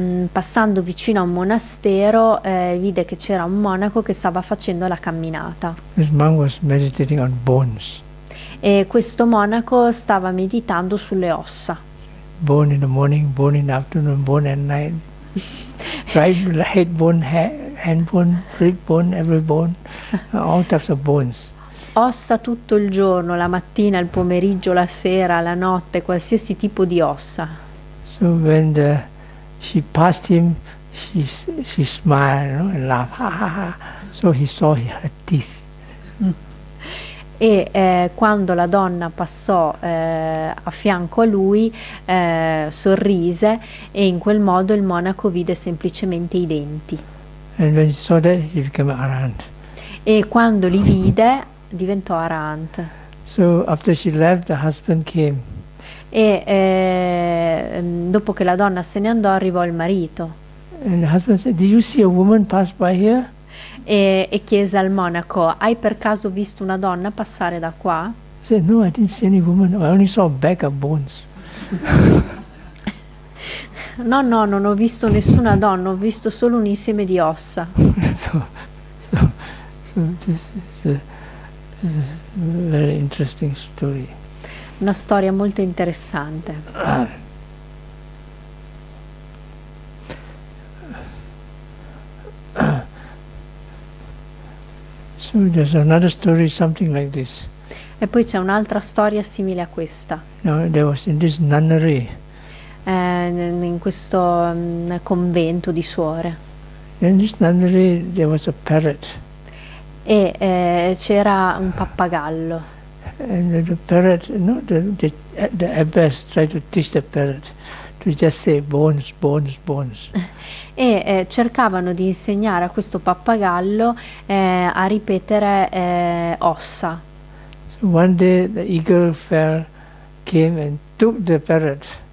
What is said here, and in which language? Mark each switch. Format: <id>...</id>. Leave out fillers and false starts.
<it>Passando vicino a un monastero, vide che c'era un monaco che stava facendo la camminata.</it> <en>This monk was meditating on bones.</en> <it>E questo monaco stava meditando sulle ossa.</it> <en>Bone in the morning, bone in the afternoon, bone at night. Right, head bone, hand bone, rib bone, every bone, all types of bones.</en> <it>Ossa tutto il giorno, la mattina, il pomeriggio, la sera, la notte, qualsiasi tipo di ossa.</it> <en>So when she passed him, she smiled, no, and laughed. Ha, ha, ha. So he saw her teeth.</en> <it>E quando la donna passò a fianco a lui, sorrise, e in quel modo il monaco vide semplicemente i denti.</it> <en>And when he saw that, he became arahant.</en> <it>E quando li vide, diventò arahant.</it> <en>So after she left, the husband came.</en> <it>E dopo che la donna se ne andò, arrivò il marito.</it> <en>And the husband said, "Did you see a woman pass by here?"</en> <it>E chiese al monaco: "Hai per caso visto una donna passare da qua?"</it> <en>Said, "No, I didn't see any woman. I only saw a bag of bones."</en> <it>No, no, non ho visto nessuna donna. Ho visto solo un insieme di ossa.</it> <en>So this is a very interesting story.</en> <it>Una storia molto interessante.</it> <en>So there's another story, something like this.</en> <it>E poi c'è un'altra storia simile a questa.</it> <en>No, there was in this nunnery.</en> <it>In questo convento di suore.</it> <en>In this nunnery there was a parrot.</en> <it>E c'era un pappagallo.</it> <en>And the parrot, no, the abbess tried to teach the parrot to just say bones, bones, bones.</en> <it>E cercavano di insegnare a questo pappagallo a ripetere ossa.</it> <en>So one day the eagle fell, came and took the parrot.</en>